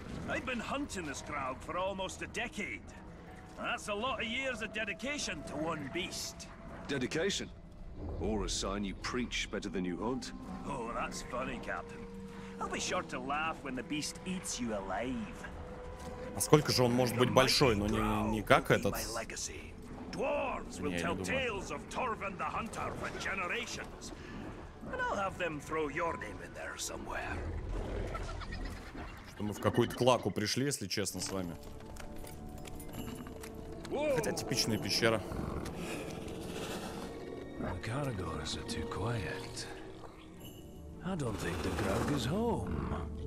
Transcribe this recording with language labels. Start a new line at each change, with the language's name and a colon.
English: I've been hunting this Graug for almost a decade. That's a lot of years of dedication to one beast. Dedication? Or a sign you preach better than you hunt? Oh, that's funny, Captain. I'll be sure to laugh when the beast eats you alive.
Russian: А сколько же он может быть большой, но не как этот?
English: Dwarves will tell tales of Torvin the Hunter for generations. And I'll have them throw your name in there somewhere.
Russian: Мы в какую-то клаку пришли, если честно, с вами. Хотя типичная пещера.
English: The corridors are too quiet. I don't think the Graug is home.